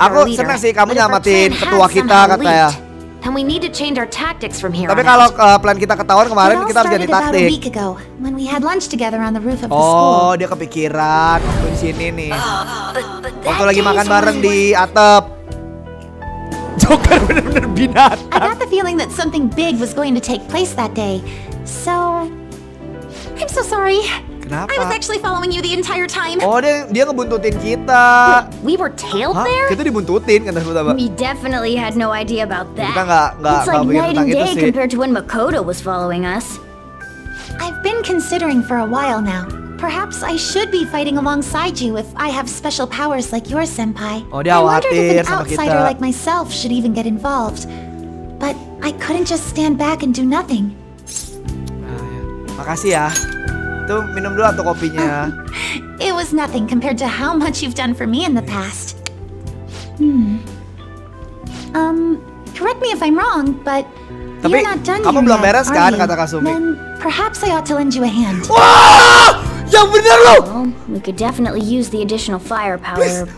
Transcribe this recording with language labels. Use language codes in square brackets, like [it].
[en] our leader. [id] Aku senang sih kamu nyelamatin ketua kita katanya. [en] And we need to change our tactics from here. [id] Tapi kalau plan kita ketahuan kemarin, kita harus ganti taktik. [en] When we had lunch together on the roof of the school. [id] Oh, dia kepikiran waktu di sini nih. Waktu lagi makan bareng di atap. Joker benar-benar binatang. [en] I got the feeling that something big was going to take place that day. So I'm so sorry. [id] Kenapa? [en] I was actually following you the entire time. [id] Oh, dia ngebuntutin kita. [en] We were tailed there? [id] Kita dibuntutin kan tadi, Bapak. [en] We definitely had no idea about that. [id] Kita enggak tahu tentang itu sih. [en] It's like night and day compared to when Makoto was following us. I've been considering for a while now. Perhaps I should be fighting alongside you if I have special powers like yours, Senpai. [id] Oh, dia khawatir sama kita. [en] I wondered if an outsider like myself should even get involved. But I couldn't just stand back and do nothing. [id] Makasih ya. Tuh, minum dulu atau kopinya. [en] It was nothing compared to how much you've done for me in the past. Correct me if I'm wrong, but [id] tapi [en] you're not done [id] kamu [en] yet, [id] belum beres kan [en] you? [id] Kata Kasumi. [en] Then perhaps I ought to lend you a hand. [id] Wah! Ya bener lo. [en] Well, we could definitely use the additional firepower.